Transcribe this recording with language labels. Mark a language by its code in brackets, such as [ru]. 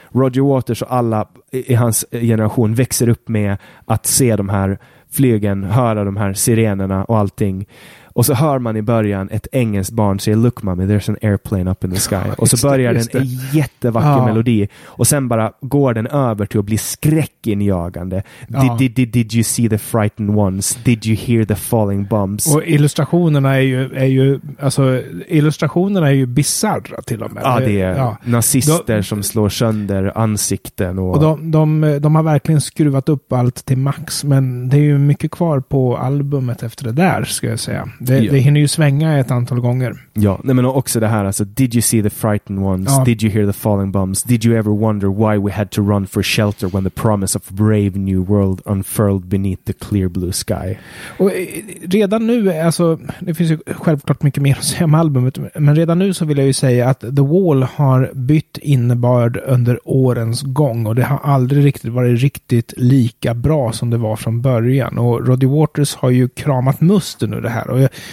[sv] Roger Waters och alla i hans generation växer upp med att se de här flygen, höra de här sirenerna och allting. Och så hör man i början ett engelskt barn säga, [en] look mommy, there's an airplane up in the sky. [sv] Och så börjar den en jättevacker melodi. Och sen bara går den över till att bli skräckinjagande. [en] Did you see the frightened ones? Did you hear the falling bombs? [sv] Och illustrationerna är ju alltså, illustrationerna är ju bizarra till och med. Ja, det är nazister som slår sönder ansikten. Och de har verkligen skruvat upp allt till max, men det är ju mycket kvar på albumet efter det där, ska jag säga. Det hinner ju svänga ett antal gånger. Ja, nej, men också det här, alltså, [en] did you see the frightened ones? [sv] Ja. [en] Did you hear the falling bombs? Did you ever wonder why we had to run for shelter when the promise of a brave new world unfurled beneath the clear blue sky? [sv] Och redan nu, alltså, det finns ju självklart mycket mer att säga om albumet, men redan nu så vill jag ju säga att The Wall har bytt innebörd under årens gång, och det har aldrig riktigt varit riktigt lika bra som det var från början, och Roddy Waters har ju kramat musten ur det här.